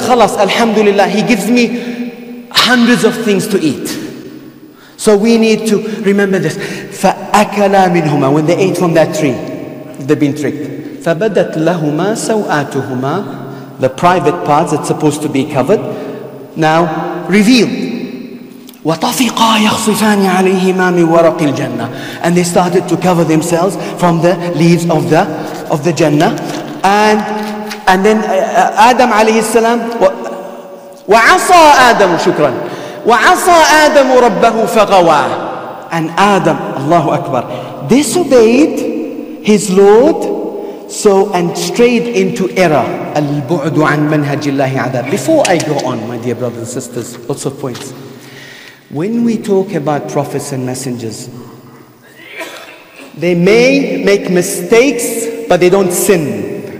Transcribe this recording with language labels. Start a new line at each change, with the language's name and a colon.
English: Khalas, alhamdulillah. He gives me hundreds of things to eat. So we need to remember this.
Arabic: فَأَكَلَا مِنْهُمَا.
English: When they ate from that tree, they've been tricked.
Arabic: فَبَدَتْ لَهُمَا سَوْآتُهُمَا.
English: The private parts that's supposed to be covered, now revealed.
Arabic: وطفقا يخصفان عليهما من ورق الجنة.
English: And they started to cover themselves from the leaves of the Jannah. And then
Arabic: Adam عليه السلام وعصى آدم شكرا وعصى آدم ربه فغوى.
English: And Adam, Allahu Akbar, disobeyed his Lord, so and strayed into error.
Arabic: البعد عن منهج الله عذاب.
English: Before I go on, my dear brothers and sisters, lots of points. When we talk about prophets and messengers, they may make mistakes, but they don't sin.